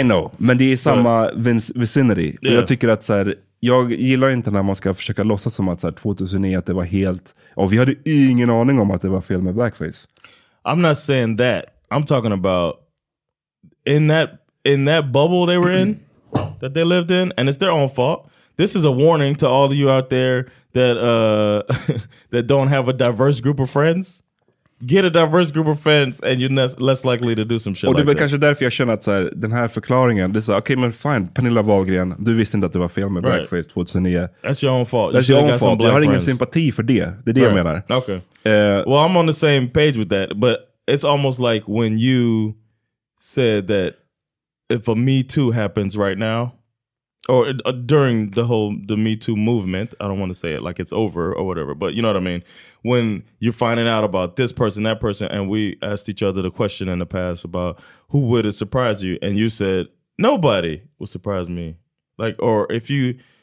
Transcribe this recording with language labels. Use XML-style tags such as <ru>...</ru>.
<en>I know,</en> <sv>men det är samma vicinity. Yeah. Jag tycker att så här, jag gillar inte när man ska försöka låtsas som att så här, 2009 att det var helt, och vi hade ingen aning om att det var fel med blackface.</sv> <en>I'm not saying that. I'm talking about in that bubble they were in, that they lived in, and it's their own fault. This is a warning to all of you out there that that don't have a diverse group of friends. Get a diverse group of friends and you're less likely to do some shit.</en> <sv>Och det like var kanske därför jag känner att så här, den här förklaringen, det är så, okej, men fine, Pernilla Wahlgren, du visste inte att det var fel med blackface 2009.</sv> <en>That's your own fault. That's your own fault.</en> <sv>Jag har friends. Ingen sympati för det. Det är det jag menar.</sv> <en>Okay. Well, I'm on the same page with that, but it's almost like when you said that if a Me Too happens right now, or during the whole the Me Too movement, I don't want to say it like it's over or whatever, but you know what I mean, when you're finding out about this person, that person, and we asked each other the question in the past about who would have surprised you, and you said nobody would surprise me, like, or if you</en>